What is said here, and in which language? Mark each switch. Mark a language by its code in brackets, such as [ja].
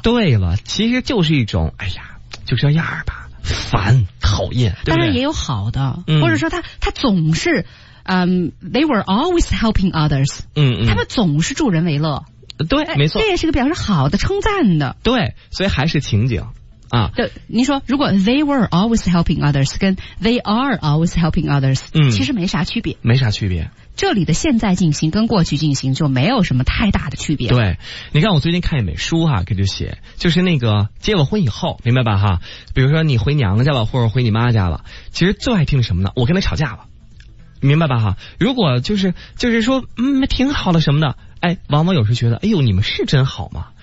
[zh] 对了，其实就是一种，哎呀，就这样吧，烦，讨厌，对不对？当然也有好的，或者说他总是， [en] they were always helping others， [zh] 他们总是助人为乐。对，没错，这也是个表示好的、称赞的。对，所以还是情景。啊，对，您说如果 [en] they were always helping others [zh] 跟 [en] they are always helping others， [zh] 其实没啥区别，没啥区别。这里的现在进行跟过去进行就没有什么太大的区别。对，你看我最近看一本书哈，给就写，就是那个结了婚以后，明白吧哈？比如说你回娘家了，或者回你妈家了，其实最爱听什么呢？我跟他吵架了，明白吧哈？如果就是说挺好的什么的，哎，往往有时觉得哎呦你们是真好吗？